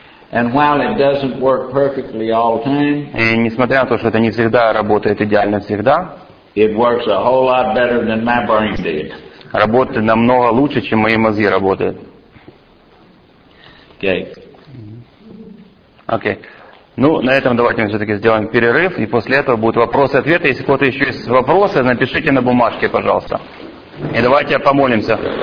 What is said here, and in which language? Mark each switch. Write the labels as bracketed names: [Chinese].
[English] And while it doesn't work perfectly all the time, [Russian] и несмотря на то, что это не всегда работает идеально всегда, [English] it works a whole lot better than my brain did. [Russian] Работает намного лучше, чем мои мозги работают. Окей. Ну, на этом давайте мы все-таки сделаем перерыв, и после этого будут вопросы и ответы. Если у кого-то еще есть вопросы, напишите на бумажке, пожалуйста. И давайте помолимся.